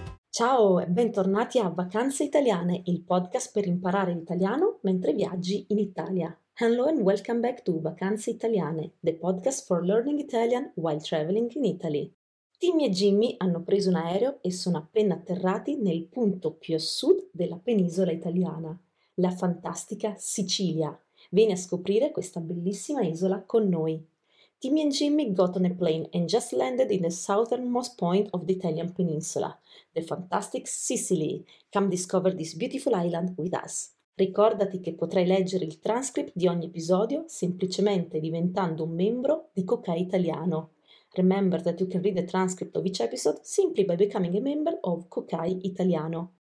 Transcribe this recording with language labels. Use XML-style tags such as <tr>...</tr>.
<it>Ciao e bentornati a Vacanze Italiane, il podcast per imparare l'italiano mentre viaggi in Italia.</it> <en>Hello and welcome back to Vacanze Italiane, the podcast for learning Italian while traveling in Italy.</en> <it>Timmy e Jimmy hanno preso un aereo e sono appena atterrati nel punto più a sud della penisola italiana, la fantastica Sicilia. Vieni a scoprire questa bellissima isola con noi.</it> <en>Timmy and Jimmy got on a plane and just landed in the southernmost point of the Italian peninsula, the fantastic Sicily. Come discover this beautiful island with us.</en> <it>Ricordati che potrai leggere il transcript di ogni episodio semplicemente diventando un membro di Cocai Italiano.</it> <en>Remember that you can read the transcript of each episode simply by becoming a member of Cocai Italiano.</en>